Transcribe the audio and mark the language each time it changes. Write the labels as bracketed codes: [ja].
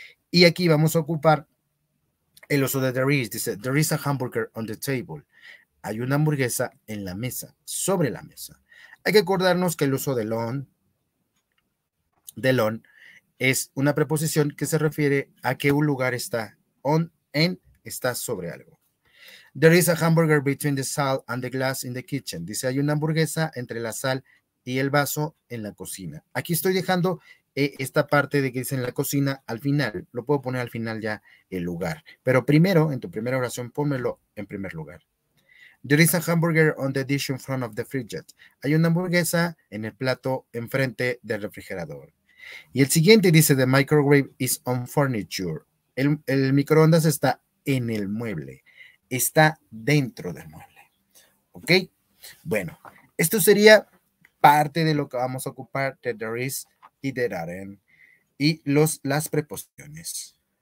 [es] Y aquí vamos a ocupar el uso de [en] there is, dice there is a hamburger on the table. [es] Hay una hamburguesa en la mesa, sobre la mesa. Hay que acordarnos que el uso del on, es una preposición que se refiere a que un lugar está on, en, está sobre algo. [en] There is a hamburger between the salt and the glass in the kitchen. [es] Dice, hay una hamburguesa entre la sal y el vaso en la cocina. Aquí estoy dejando esta parte de que dice en la cocina al final. Lo puedo poner al final ya el lugar. Pero primero, en tu primera oración, pónmelo en primer lugar. [en] There is a hamburger on the dish in front of the fridge. [es] Hay una hamburguesa en el plato enfrente del refrigerador. Y el siguiente dice, [en] the microwave is on furniture. [es] El microondas está en el mueble, está dentro del mueble. ¿Ok? Bueno, esto sería parte de lo que vamos a ocupar de [en] there is [es] y [en] there aren't [es] y las preposiciones.